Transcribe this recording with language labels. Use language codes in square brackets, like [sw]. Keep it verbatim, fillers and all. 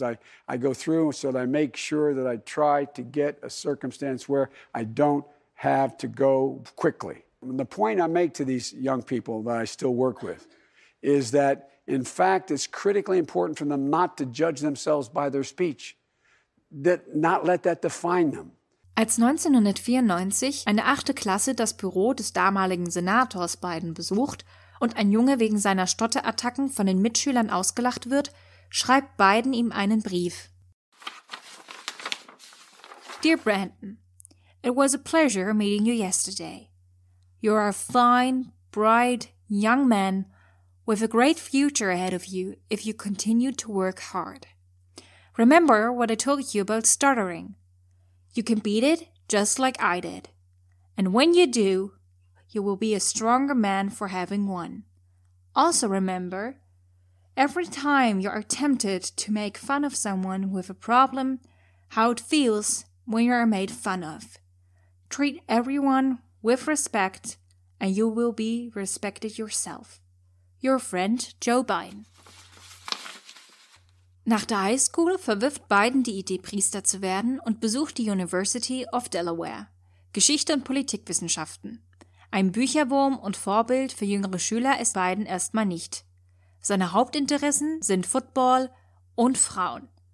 [en] I, I go through so that I make sure that I try to get a circumstance where I don't have to go quickly. And the point I make to these young people that I still work with is that, in fact, it's critically important for them not to judge themselves by their speech, that not let that define them. [de] Als neunzehnhundertvierundneunzig eine achte Klasse das Büro des damaligen Senators Biden besucht und ein Junge wegen seiner Stotterattacken von den Mitschülern ausgelacht wird, schreibt Biden ihm einen Brief. [en] Dear Brandon, it was a pleasure meeting you yesterday. You are a fine, bright, young man with a great future ahead of you if you continue to work hard. Remember what I told you about stuttering. You can beat it just like I did. And when you do, you will be a stronger man for having won. Also remember, every time you are tempted to make fun of someone with a problem, how it feels when you are made fun of. Treat everyone with respect, and you will be respected yourself. Your friend Joe Biden. [de] Nach der High School verwirft Biden die Idee, Priester zu werden und besucht die University of Delaware. Geschichte und Politikwissenschaften. Ein Bücherwurm und Vorbild für jüngere Schüler ist Biden erstmal nicht. Seine Hauptinteressen sind Football und Frauen.